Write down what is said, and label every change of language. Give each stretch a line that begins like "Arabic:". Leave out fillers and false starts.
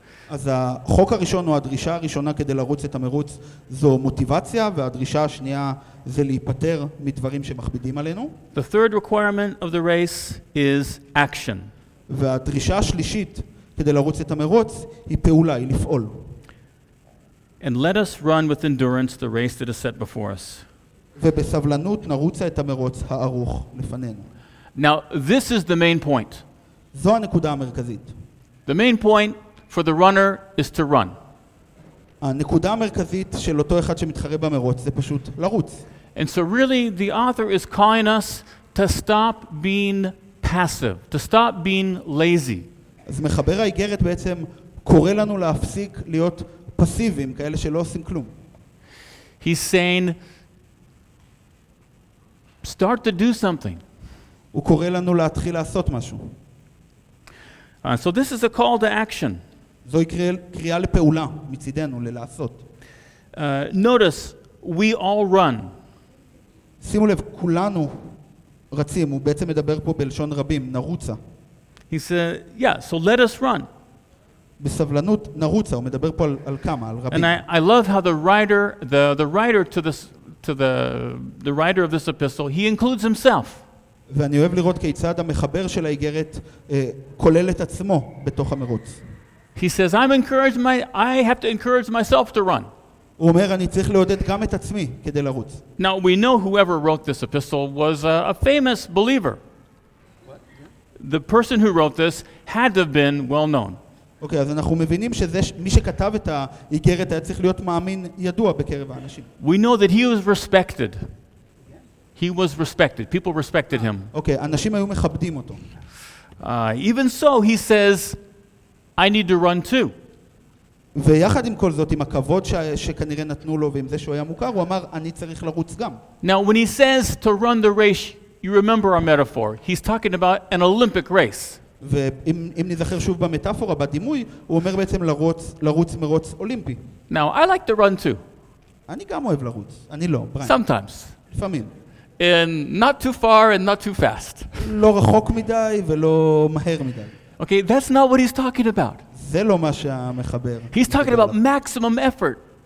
Hebrew: אז החוק הראשון או הדרישה הראשונה כדי לרוץ את המרוץ זו מוטיבציה, והדרישה השנייה זה להיפטר מדברים שמכבידים עלינו.
English: The third requirement of the race is action.
Hebrew: והדרישה השלישית כדי לרוץ את המרוץ היא פעולה, היא לפעול.
English: And let us run with endurance the race that is set before us.
Hebrew: ובסבלנות נרוץ את המרוץ הארוך לפנינו.
English: Now, this is the main point.
Hebrew: זו הנקודה המרכזית.
English: The main point for the runner is to run.
Hebrew: הנקודה המרכזית של אותו אחד שמתחרה במרוץ זה פשוט לרוץ.
English: And so really the author is calling us to stop being passive, to stop being lazy.
Hebrew: אז מחבר האיגרת בעצם קורא לנו להפסיק להיות פסיביים, כאלה שלא עושים כלום.
English: He's saying start to do something.
Hebrew: הוא קורא לנו להתחיל לעשות משהו.
English: So this is a call to action.
Hebrew: זו קריאה לפעולה מצידנו, ללעשות.
English: Notice, we all run.
Hebrew: שימו לב, כולנו רצים. הוא בעצם מדבר פה בלשון רבים, נרוצה.
English: He said, yeah, so let us run.
Hebrew: בסבלנות, נרוצה. הוא מדבר פה על כמה, על רבים.
English: And I love how the writer to this, to the writer of this epistle, he includes himself.
Hebrew: ואני אוהב לראות כיצד המחבר של האיגרת כולל את עצמו בתוך המרוץ.
English: He says I have to encourage myself to run.
Hebrew: הוא אומר אני צריך לעודד גם את עצמי כדי לרוץ.
English: Now we know whoever wrote this epistle was a famous believer. The person who wrote this had to have been well known.
Hebrew: Okay, אז אנחנו מבינים שזה מי שכתב את האיגרת היה צריך להיות מאמין ידוע בקרב האנשים.
English: We know that he was respected. He was respected. People respected him.
Hebrew: Okay, אנשים היו מכבדים אותו.
English: Even so, he says I need to run too.
Hebrew: ויחד עם כל זאת, עם הכבוד שכנראה נתנו לו ועם זה שהוא היה מוכר, הוא אמר אני צריך לרוץ גם.
English: Now when he says to run the race, you remember our metaphor. He's talking about an Olympic race.
Hebrew: ואם נזכר שוב במטאפורה, בדימוי, הוא אומר בעצם לרוץ מרוץ אולימפי.
English: Now I like to run too.
Hebrew: אני גם אוהב לרוץ. אני לא, בריין.
English: Sometimes.
Hebrew: לפעמים.
English: And not too far and not too fast.
Hebrew: לא רחוק מדי ולא מהר מדי.
English: Okay, that's not what he's talking about.
Hebrew: זה לא מה שהמחבר.
English: He's talking about maximum effort.